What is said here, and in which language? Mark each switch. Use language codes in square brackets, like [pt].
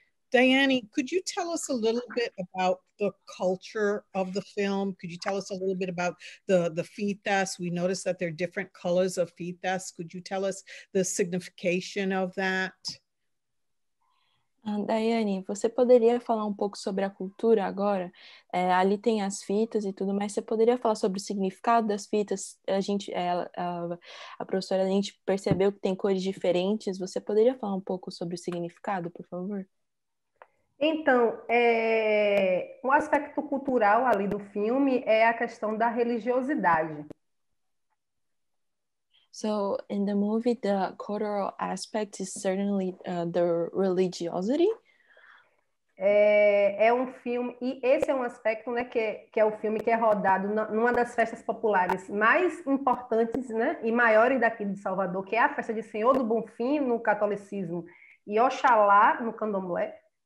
[en] Diane, could you tell us a little bit about the culture of the film? Could you tell us a little bit about the fitas? We noticed that there are different colors of fitas. Could you tell us the signification of that? [pt] Daiane, você poderia falar um pouco sobre a cultura agora? É, ali tem as fitas e tudo, mas você poderia falar sobre o significado das fitas? A professora, a gente percebeu que tem cores diferentes. Você poderia falar um pouco sobre o significado, por favor? Então, um aspecto cultural ali do filme é a questão da religiosidade. [en] So, in the movie, the cultural aspect is certainly the religiosity. [pt] É um filme, e esse é um aspecto, né, que é o filme que é rodado numa das festas populares mais importantes, né, e maiores daqui de Salvador, que é a festa de Senhor do Bonfim no catolicismo e Oxalá no candomblé.